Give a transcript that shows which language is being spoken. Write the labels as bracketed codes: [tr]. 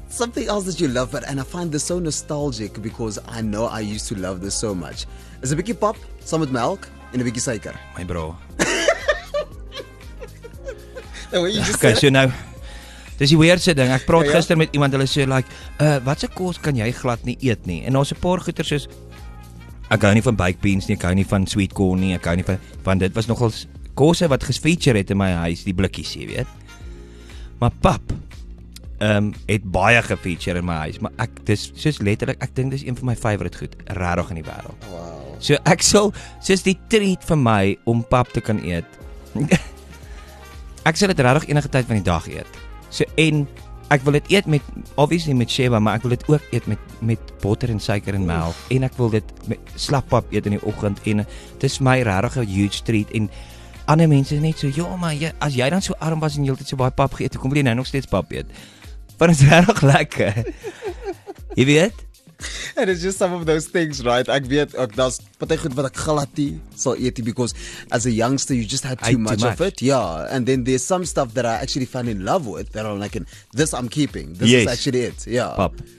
[en] Something else that you love, but and I find this so nostalgic because I know I used to love this so much. [af] Is 'n bietjie pop, saam met melk en 'n bietjie suiker. [en] My bro. And what you just said. Guys, you know. [af] Dis die weirdste ding. Ek praat gister met iemand, hulle sê like, "Watse kos kan jy glad nie eet nie?" En daar's 'n paar goeie soos ek hou nie van baked beans nie, ek hou nie van sweet corn nie, ek hou nie van want dit was nogal kosse wat gesfeature het in my huis, die blikkies, jy weet. Maar pap het baie gefeature in my huis, maar ek dis soos letterlik, ek dink dis een van my favorite goed regtig in die wêreld. [en] Wow. [af] So ek sal soos die treat vir my om pap te kan eet. Ek sal dit regtig enige tyd van die dag eet. So en ek wil dit eet met obviously met Sheba, maar ek wil dit ook eet met botter en suiker en melk. Oof. En ek wil dit met slap pap eet in die oggend en dit is my regtig 'n huge treat en ander mense net so, "Ja, maar jy, as jy dan so arm was en jy het so baie pap geëet, hoekom wil jy nou nog steeds pap eet?" Want dit is regtig lekker. Jy weet? [en] And it's just some of those things, right? [af] Ek weet, ek daar's party goed wat ek glad nie sal eet nie [en] because as a youngster you just had too much of it. Yeah, and then there's some stuff that I actually fell in love with that I'm like, "This I'm keeping. This yes. is actually it." Yeah. [af] Pap.